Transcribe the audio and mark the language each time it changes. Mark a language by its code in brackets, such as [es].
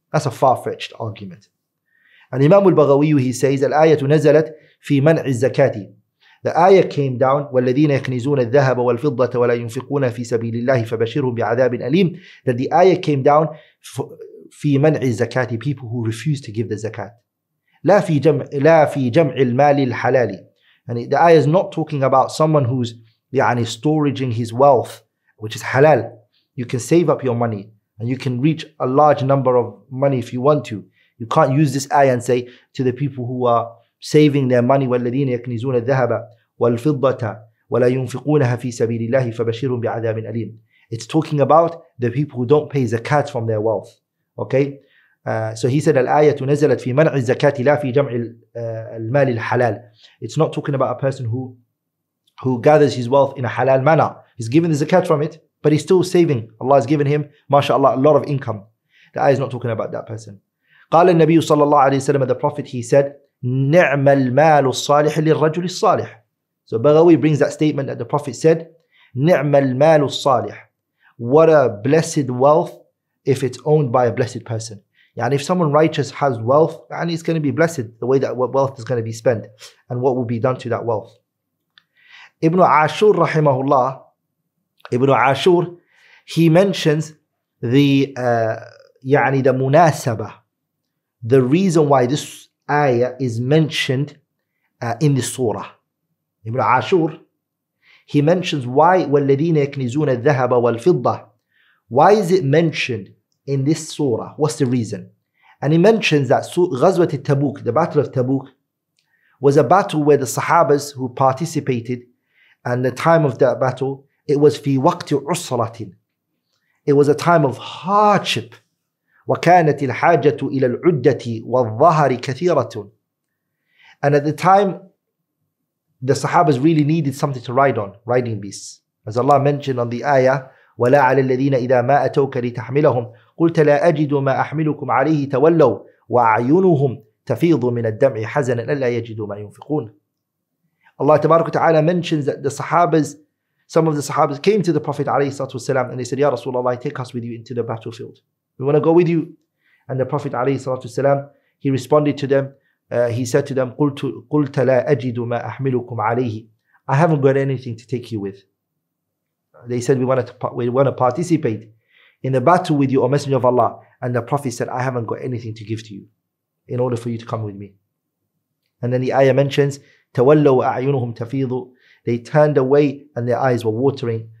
[en] That's a far-fetched argument. And Imam al-Baghawi, he says الآية نزلت في منع الزكاة. The ayah came down, والذين يكنزون الذهب والفضة ولا ينفقون في سبيل الله فبشرهم بعذاب أليم, that the ayah came down في منع الزكاة, people who refuse to give the zakat. [ar] لا في جمع المال الحلال. [en] And the ayah is not talking about someone who's storing his wealth, which is halal. You can save up your money and you can reach a large number of money if you want to. You can't use this ayah and say to the people who are saving their money, والذين يكنزون الذهب والفضة ولا ينفقونها في سبيل الله فبشرهم بعذاب أليم. It's talking about the people who don't pay zakat from their wealth. Okay, so he said الآية نزلت في منع الزكاة لا في جمع المال الحلال. It's not talking about a person who gathers his wealth in a halal manner. He's giving the zakat from it, but he's still saving. Allah has given him, mashallah, a lot of income. The ayah is not talking about that person. [ar] قال النبي صلى الله عليه وسلم, the prophet, he said نعم المال الصالح للرجل الصالح. [en] So Baghawi brings that statement that the prophet said نعم المال الصالح. What a blessed wealth if it's owned by a blessed person. And if someone righteous has wealth, and it's going to be blessed, the way that wealth is going to be spent, and what will be done to that wealth. Ibn Ashur, rahimahullah, Ibn Ashur, he mentions the munasabah, the reason why this ayah is mentioned in the surah. Ibn Ashur, he mentions why, وَالَّذِينَ يَكْنِزُونَ الذَّهَبَ وَالْفِضَّةِ, why is it mentioned in this surah? What's the reason? And he mentions that Ghazwat al-Tabuk, the battle of Tabuk, was a battle where the Sahabas who participated, and the time of that battle, it was fi waqti usratin. It was a time of hardship. [ar] وكانت الحاجة إلى العدة والظهر كثيرة. [en] And at the time, the Sahabas really needed something to ride on, riding beasts. [ar] As Allah mentioned on the ayah, وَلَا عَلَى الَّذِينَ إِذَا مَا أَتَوْكَ لِتَحْمِلَهُمْ قلت لا أجد ما أحملكم عليه تولوا وأعينهم تفيض من الدمع حزنا ألا يجدوا ما ينفقون. [en] Allah تبارك وتعالى mentions that the Sahabas, some of the Sahabas came to the Prophet عليه الصلاة والسلام, and they said, Ya Rasulullah, take us with you into the battlefield. We want to go with you. And the Prophet عليه الصلاة والسلام, he responded to them. [ar] He said to them, قلت لا أجد ما أحملكم عليه. [en] I haven't got anything to take you with. They said, we want to participate in the battle with you, O Messenger of Allah. And the Prophet said, I haven't got anything to give to you in order for you to come with me. And then the ayah mentions, تَوَلَّوْا أَعْيُنُهُمْ تَفِيضُ, they turned away and their eyes were watering.